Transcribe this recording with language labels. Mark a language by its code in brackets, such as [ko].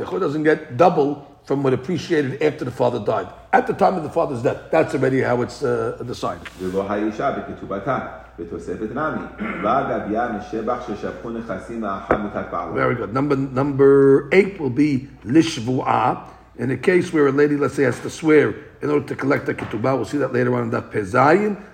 [en] Bechor doesn't get double from what appreciated after the father died. At the time of the father's death, that's already how it's decided. [he] V'lo ha-yishah v'ketubata. ותוספת נמי, והגביה משבח ששפכו נכסים מאחר מיתת בעלה. [en] Very good. Number 8 will be לשבועה. In a case where a lady, let's say, has to swear in order to collect a ketubah, we'll see that later on in the pezayin.